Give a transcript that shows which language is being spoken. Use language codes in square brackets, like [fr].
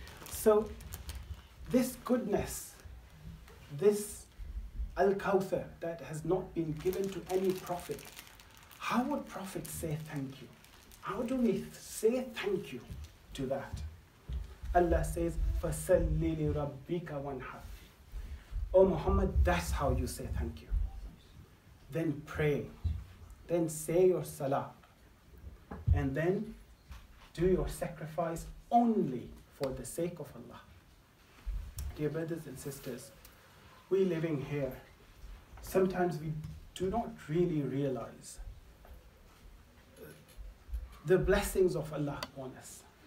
[en] So this goodness, this Al-Kauthar that has not been given to any Prophet, how would Prophet say thank you? How do we say thank you to that? Allah says, [ar] فَسَلِّ لِرَبِّكَ وَانْحَرْ. [en] O Muhammad, that's how you say thank you. Then pray. Then say your salah. And then do your sacrifice only for the sake of Allah. Dear brothers and sisters, we living here, sometimes we do not really realize the blessings of Allah upon us.